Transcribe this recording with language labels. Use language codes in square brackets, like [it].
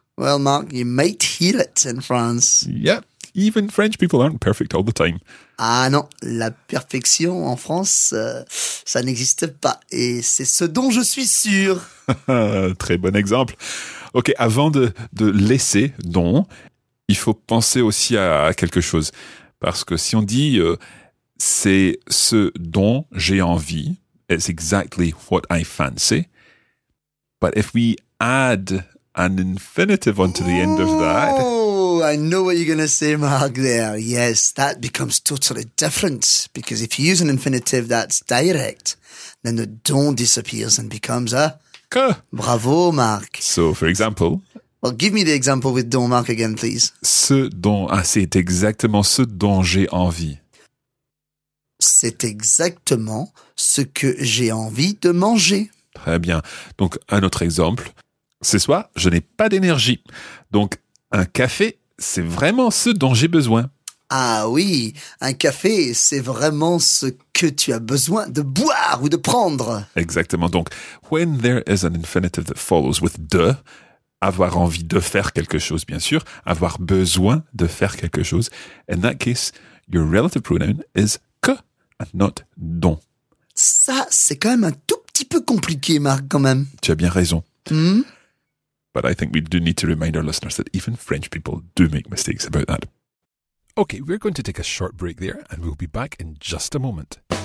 [en] Well, Mark, you might hear it in France. Yeah, even French people aren't perfect all the time. [fr] Ah non, la perfection en France, ça n'existe pas. Et c'est ce dont je suis sûr. Très bon exemple. Ok, avant de laisser don, il faut penser aussi à quelque chose. Parce que si on dit c'est ce dont j'ai envie, [en] it's exactly what I fancy. But if we add... an infinitive onto the end of that. Oh, I know what you're going to say, Mark, there. Yes, that becomes totally different. Because if you use an infinitive that's direct, then the don disappears and becomes a... [fr] que. Bravo, Mark. [en] So, for example... Well, give me the example with don, Mark, again, please. [fr] Ce don, ah, c'est exactement ce dont j'ai envie. C'est exactement ce que j'ai envie de manger. Très bien. Donc, un autre exemple... Ce soir, je n'ai pas d'énergie. Donc, un café, c'est vraiment ce dont j'ai besoin. Ah oui, un café, c'est vraiment ce que tu as besoin de boire ou de prendre. Exactement. Donc, [en] when there is an infinitive that follows with de, [fr] avoir envie de faire quelque chose, [en] bien sûr, avoir besoin de faire quelque chose, in that case, your relative pronoun is que and not don. [fr] Ça, c'est quand même un tout petit peu compliqué, Marc, quand même. Tu as bien raison. Hmm? [en] But I think we do need to remind our listeners that even French people do make mistakes about that. Okay, we're going to take a short break there and we'll be back in just a moment.